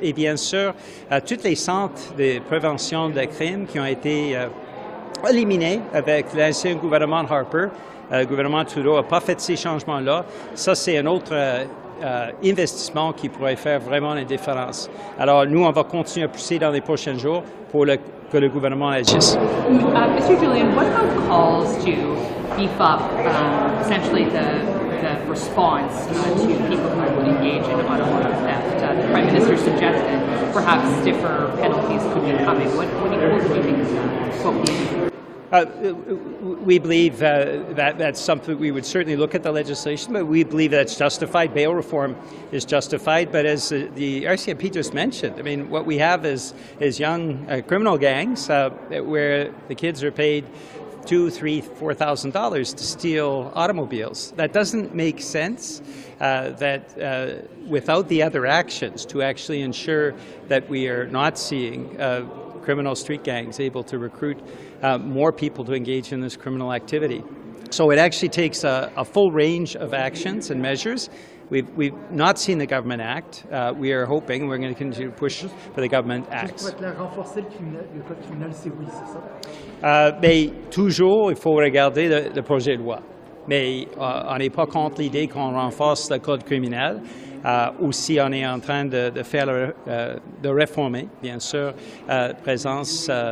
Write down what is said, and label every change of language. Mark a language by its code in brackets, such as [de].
[fr] Et bien sûr, tous les centres de prévention de crimes qui ont été éliminés avec l'ancien gouvernement Harper, le gouvernement Trudeau n'a pas fait ces changements-là. Ça, c'est un autre investissement qui pourrait faire vraiment la différence. Alors, nous, on va continuer à pousser dans les prochains jours pour que le gouvernement agisse. [en] Mr. Julian, what about calls to beef up essentially the response to people who would engage in automotive theft? The Prime Minister suggested perhaps stiffer penalties could be coming. What do you think of that? We believe that's something we would certainly look at the legislation, but we believe that's justified. Bail reform is justified, but as the RCMP just mentioned, I mean, what we have is young criminal gangs where the kids are paid $2,000, $3,000, $4,000 to steal automobiles. That doesn't make sense. That without the other actions to actually ensure that we are not seeing criminal street gangs, able to recruit more people to engage in this criminal activity. So it actually takes a full range of actions and measures. We've not seen the government act. We are hoping, we're going to continue to push for the government act. [fr] Mais toujours, il faut regarder le projet de loi. Mais on n'est pas contre l'idée qu'on renforce le code criminel, ou si on est en train de faire de réformer, bien sûr, présence.